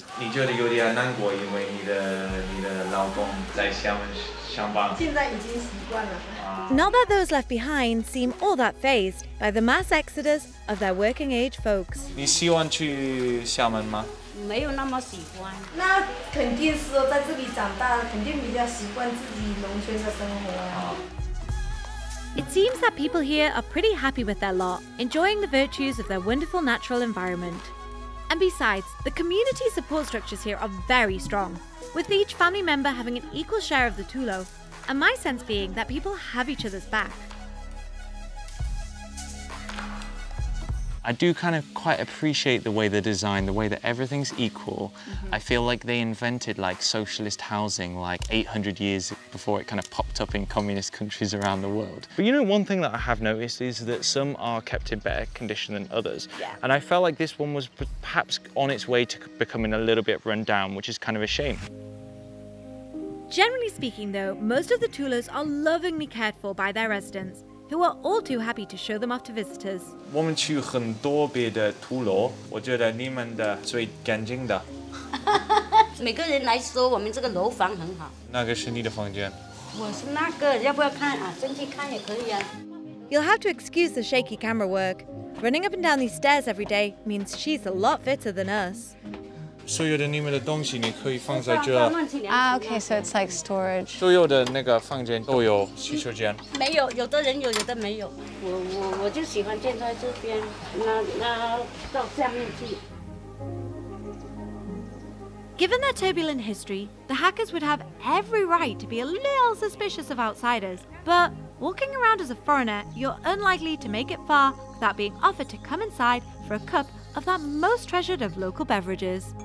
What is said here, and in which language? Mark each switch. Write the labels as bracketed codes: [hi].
[zh] 你这里有点难过，因为你的老公在厦门上班。现在已经习惯了。 [en] Not that those left behind seem all that fazed by the mass exodus of their working age folks. [zh] 你喜欢去厦门吗？没有那么喜欢。那肯定是在这里长大，肯定比较习惯自己农村的生活啊。 [en] It seems that people here are pretty happy with their lot, enjoying the virtues of their wonderful natural environment. And besides, the community support structures here are very strong, with each family member having an equal share of the Tulous, and my sense being that people have each other's back. I do kind of quite appreciate the way they're designed, the way that everything's equal. Mm-hmm. I feel like they invented like socialist housing like 800 years before it kind of popped up in communist countries around the world. But you know, one thing that I have noticed is that some are kept in better condition than others. Yeah. And I felt like this one was perhaps on its way to becoming a little bit run down, which is kind of a shame. Generally speaking though, most of the Tulous are lovingly cared for by their residents, who are all too happy to show them off to visitors. [zh] 我们去很多别的土楼，我觉得你们的最干净的。每个人来说，我们这个楼房很好。那个是你的房间。我是那个，要不要看啊？进去看也可以啊。 [en] You'll have to excuse the shaky camera work. Running up and down these stairs every day means she's a lot fitter than us. [zh] 所有的你们的东西你可以放在这。 [en] Okay, so it's like storage. [zh] 所有的那个房间都有洗手间。没有，有的人有，有的没有。我就喜欢建在这边，那到下面去。 [en] Given their turbulent history, the Hakkas would have every right to be a little suspicious of outsiders. But walking around as a foreigner, you're unlikely to make it far without being offered to come inside for a cup of that most treasured of local beverages.